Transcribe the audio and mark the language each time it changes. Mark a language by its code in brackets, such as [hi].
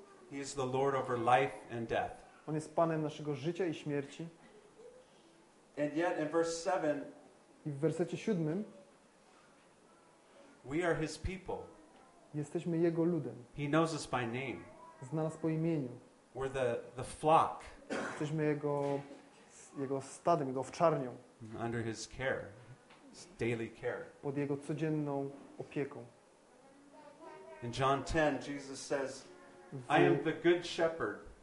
[en] He is the Lord over life and death. [pl] On jest Panem naszego życia i śmierci. [en] And yet in verse 7, [pl] i w wersecie 7, [en] we are his people. [pl] Jesteśmy Jego ludem. [en] He knows us by name. [pl] Zna nas po imieniu. [en] We're the flock. [pl] Jesteśmy jego stadem, jego owczarnią. [en] Under his care, his daily care. [pl] Pod jego codzienną opieką. [en] In John 10, Jesus says, I am the good shepherd.